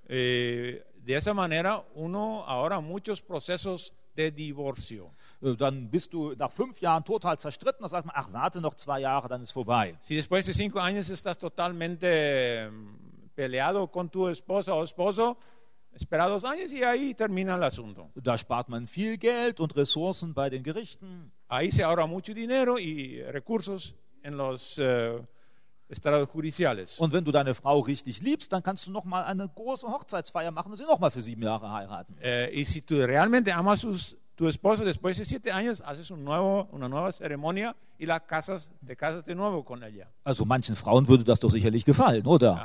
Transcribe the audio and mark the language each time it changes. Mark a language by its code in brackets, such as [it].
[es] De esa manera uno ahora muchos procesos de divorcio. [de] Dann bist du nach 5 Jahren total zerstritten, dann sagt man, ach, warte noch 2 Jahre, dann ist vorbei. [es] Si después de 5 años estás totalmente peleado con tu esposa o esposo, espera 2 años y ahí termina el asunto. [de] Da spart man viel Geld und Ressourcen bei den Gerichten. [es] Ahí se ahorra mucho dinero y recursos en los estados judiciales. [de] Und wenn du deine Frau richtig liebst, dann kannst du noch mal eine große Hochzeitsfeier machen und sie noch mal für 7 Jahre heiraten. [es] Y si tú realmente amas tu esposa, después de 7 años haces una nueva ceremonia y te casas de nuevo con ella. [de] Also manchen Frauen würde das doch sicherlich gefallen, oder?